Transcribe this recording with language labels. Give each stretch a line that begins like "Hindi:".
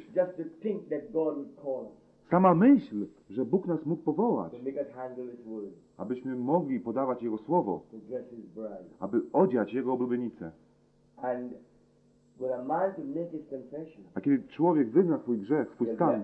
English: Just to think that God would call us.
Polish: Sama myśl, że Bóg nas mógł powołać.
English: To make us handle his word.
Polish: Abyśmy mogli podawać Jego Słowo.
English: To dress his bride.
Polish: Aby odziać Jego oblubienicę.
English: And when a man to make his confession.
Polish: A kiedy człowiek wyzna swój grzech, swój stan.